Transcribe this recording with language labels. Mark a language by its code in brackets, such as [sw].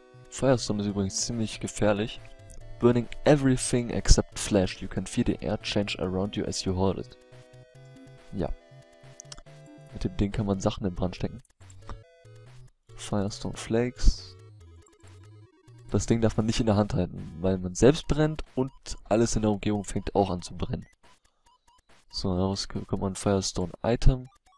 [de] Firestorm ist übrigens ziemlich gefährlich. [en] Burning everything except flash. You can feel the air change around you as you hold it. [de] Ja. Mit dem Ding kann man Sachen in Brand stecken. Firestorm Flakes. Das Ding darf man nicht in der Hand halten, weil man selbst brennt und alles in der Umgebung fängt auch an zu brennen. So, daraus bekommt man ein Firestone Item.